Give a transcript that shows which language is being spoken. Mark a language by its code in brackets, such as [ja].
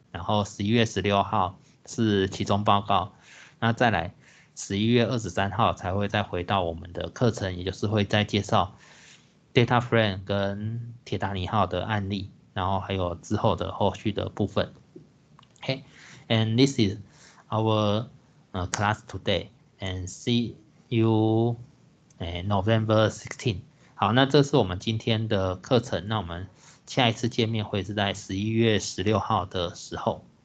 [zh] 然后11月16号是期中报告，那再来11月23号才会再回到我们的课程，也就是会再介绍 Data Frame 跟铁达尼号的案例，然后还有之后的后续的部分。 [en] Okay, and this is our class today, and see you November 16. [zh] 好，那这是我们今天的课程，那我们下一次见面会是在11月16号的时候。